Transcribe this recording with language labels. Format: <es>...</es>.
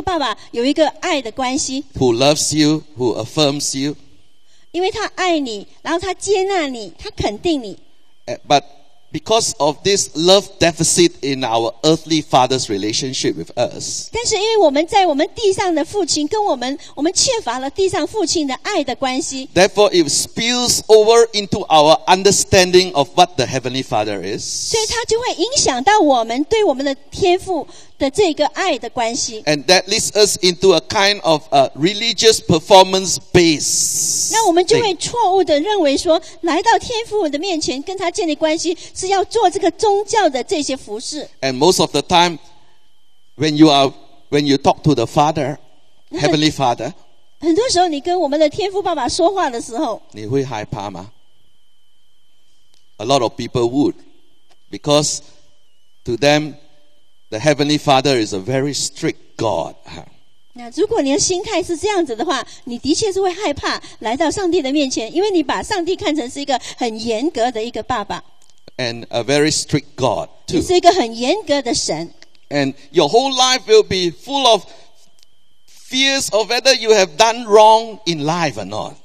<zh>或者是你希望能够跟这个天父爸爸有一个爱的关系？</zh> <en>Who loves you, who affirms you.</en> <zh>因为他爱你, 然后他接纳你, 他肯定你。</zh> <en>But because of this love deficit in our earthly father's relationship with us,</en> <zh>但是因为我们在我们地上的父亲, 跟我们, 我们缺乏了地上父亲的爱的关系。</zh> <en>Therefore, it spills over into our understanding of what the Heavenly Father is.</en> <zh>所以它就会影响到我们对我们的天父的这个爱的关系。</zh> <en>And that leads us into a kind of a religious performance base.</en> <zh>那我们就会错误地认为说, 来到天父的面前, 跟他建立关系, 是要做这个宗教的这些服饰。</zh> <en>And most of the time, when you talk to the Father, Heavenly Father,</en> <zh>很多时候你跟我们的天父爸爸说话的时候, 你会害怕吗?</zh> <en>A lot of people would, because to them, the Heavenly Father is a very strict God.</en> <zh>那如果你的心态是这样子的话, 你的确是会害怕来到上帝的面前, 因为你把上帝看成是一个很严格的一个爸爸。</zh> <en>And a very strict God too.</en> <zh>你是一个很严格的神。</zh> <en>And your whole life will be full of fears of whether you have done wrong in life or not.</en>